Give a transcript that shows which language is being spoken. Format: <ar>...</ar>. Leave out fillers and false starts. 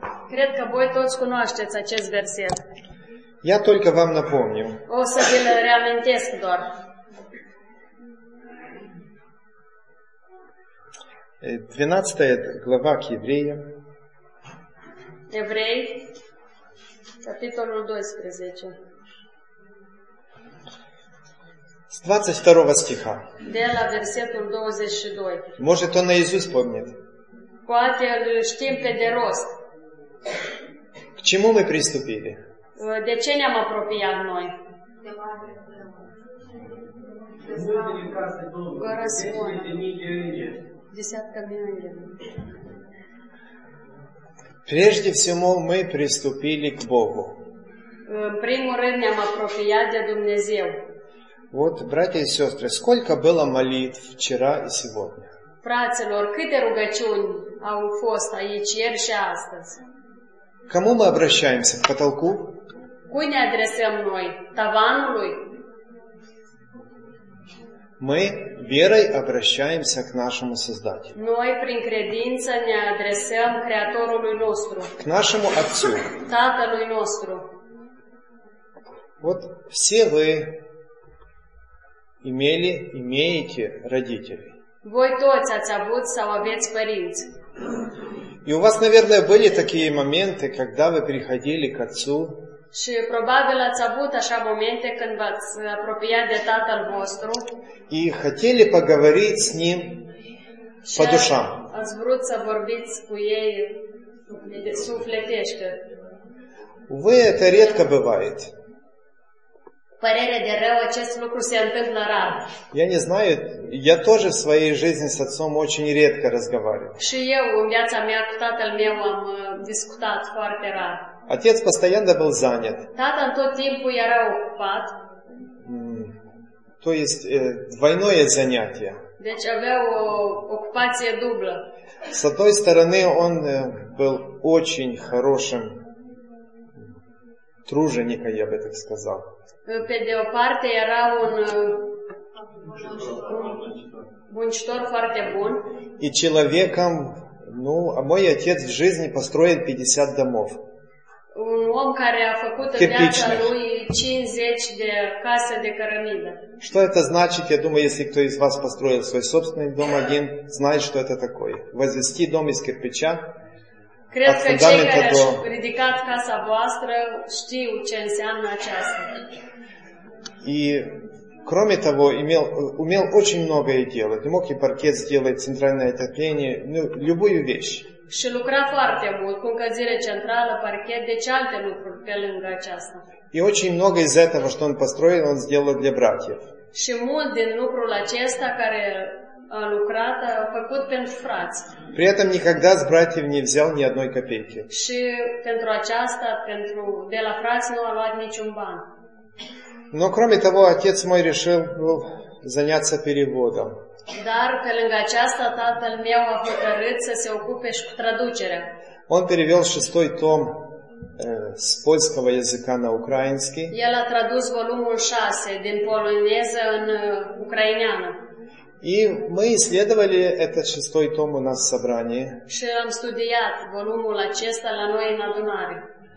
<ro>Cred că voi toți cunoașteți acest verset.</ro> <ru>Я только вам напомню.</ru> <ro>O să vi-l reamintesc doar.</ro> <ru>Двенадцатая глава к евреям. Еврей, капитул 12. С 22 стиха.</ru> <ro>De la versetul 22.</ro> <ru>Может, он наизусть помнит.</ru> <ro>Poate îl știm pe de rost.</ro> <ru>К чему мы приступили?</ru> <ro>De ce ne-am apropiat noi? Vă răspund. Десятка de îngeri.</ro> <ru>Прежде всего мы приступили к Богу.</ru> <ro>În primul rând ne-am apropiat de Dumnezeu.</ro> <ru>Вот, братья и сестры, сколько было молитв вчера и сегодня?</ru> <ro>Fraților, câte rugăciuni au fost aici ieri și astăzi?</ro> <ru>Кому мы обращаемся? К потолку?</ru> <ro>Cui ne adresăm noi? Tavanului?</ro> <ru>Мы верой обращаемся к нашему Создателю.</ru> <ro>Noi prin credință ne adresăm Creatorului nostru.</ro> <ru>К нашему Отцу.</ru> <ro>Tatălui nostru.</ro> <ru>Вот все вы имели, имеете родителей.</ru> <ro>Voi toți ați avut sau aveți părinți.</ro> <ru>И у вас, наверное, были такие моменты, когда вы приходили к Отцу.</ru> <ro>Și probabil ați avut așa momente când v-ați apropiat de tatăl vostru.</ro> <ru>И хотели поговорить с ним по душам.</ru> <ro>Ați vrut să vorbiți cu ei sufletește.</ro> <ru>Увы, это редко бывает.</ru> <ro>Părere de rău, acest lucru se întâmplă rar.</ro> <ru>Я не знаю, я тоже в своей жизни с отцом очень редко разговариваю.</ru> <ro>Și eu în viața mea cu tatăl meu am discutat foarte rar.</ro> <ru>Отец постоянно был занят.</ru> <ro>Tata în tot timpul era ocupat.</ro> <ru>То есть двойное занятие.</ru> <ro>Deci avea o ocupație dublă.</ro> <ru>С одной стороны, он был очень хорошим тружеником, я бы так сказал.</ru> <ro>Pe de o parte era un muncitor foarte bun.</ro> <ru>И человеком, ну, а мой отец в жизни построил 50 домов.</ru> <ro>Un om care a făcut în viața lui 50 de case de cărămidă.</ro> <ru>Что это значит? Я думаю, если кто из вас построил свой собственный дом один, знает, что это такое. Возвести дом из кирпича.</ru> <ro>Cred</ro> <ru>от фундамента до...</ru> <ro>Cred că cei care au ridicat casa voastră știu ce înseamnă aceasta.</ro> <ru>И кроме того, умел очень многое делать. Мог и паркет сделать, центральное отопление, ну, любую вещь.</ru> <ro>Și lucra foarte mult, cu încălzire centrală, parchet, deci alte lucruri pe lângă aceasta.</ro> <ru>И очень много из этого, что он построил, он сделал для братьев.</ru> <ro>Și mult din lucrul acesta care a lucrat, a făcut pentru frați.</ro> <ru>При этом никогда с братьев не взял ни одной копейки.</ru> <ro>Și pentru aceasta, pentru de la frați nu a luat niciun ban.</ro> <ru>Но кроме того, отец мой решил был заняться переводом.</ru> <ro>Dar pe lângă aceasta, tatăl meu a hotărât să se ocupe și cu traducerea.</ro> <ru>Он перевёл шестой том с польского языка на украинский.</ru> <ro>El a tradus volumul 6 din poloneză în ucraineană.</ro> <ru>И мы исследовали этот шестой том у нас в собрании.</ru> <ro>Și am studiat volumul acesta la noi în adunare.</ro>